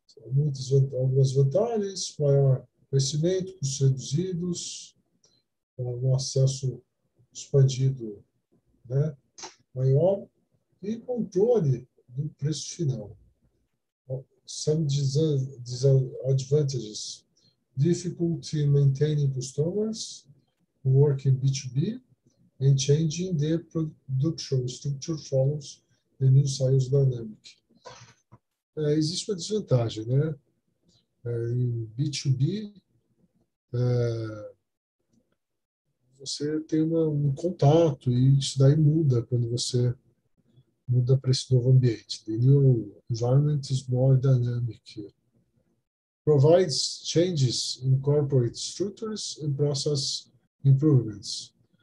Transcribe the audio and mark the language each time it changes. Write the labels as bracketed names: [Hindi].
[Portuguese] Muitas algumas vantagens, maior conhecimento, custos reduzidos, um acesso expandido, maior e controle do preço final. [English] Some disadvantages: difficulty maintaining customers, working B2B, and changing the production structure follows the new sales dynamic. [Portuguese] Existe uma desvantagem, em B2B, você tem um contato, e isso daí muda quando você muda para esse novo ambiente. [English] The new environment is more dynamic. Provides changes in corporate structures and process improvements.